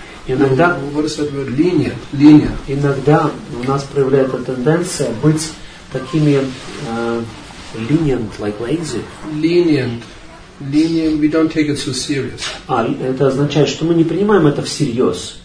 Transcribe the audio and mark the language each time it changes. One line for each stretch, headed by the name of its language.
Russian: Иногда,
English: what is that word? Lenient. Lenient.
Russian: Иногда у нас проявляется тенденция быть такими lenient,
English: like lazy. Lenient. Lenient, we don't take it so serious.
Russian: А, это означает, что мы не принимаем это всерьез.